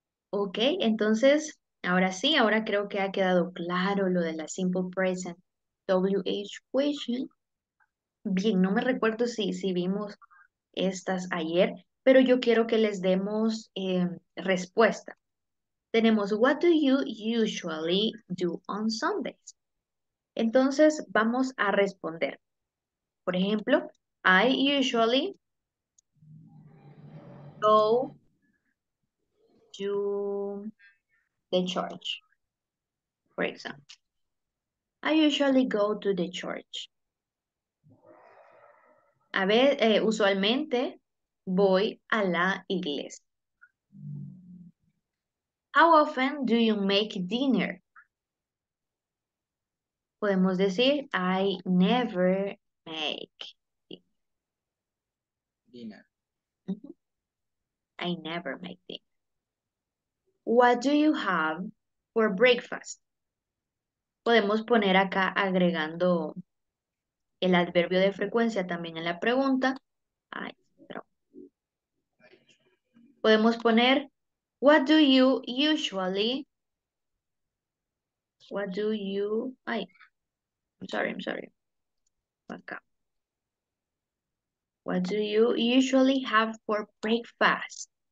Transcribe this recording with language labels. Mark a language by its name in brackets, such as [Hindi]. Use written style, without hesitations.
[Spanish] Okay, entonces, ahora sí, ahora creo que ha quedado claro lo de la simple present WH question. Bien, no me recuerdo si vimos estas ayer, pero yo quiero que les demos respuesta. [English] Tenemos, what do you usually do on Sundays? [Spanish] Entonces, vamos a responder. Por ejemplo, [English] I usually go to the church. For example, I usually go to the church. [Spanish] A ver, usualmente voy a la iglesia. [English] How often do you make dinner? [Spanish] Podemos decir, [English] I never make dinner. I never make dinner. What do you have for breakfast? [Spanish] Podemos poner acá agregando el adverbio de frecuencia también en la pregunta. Podemos poner, [English] what do you usually, what do you, ay, I'm sorry. Acá. What do you usually have for breakfast?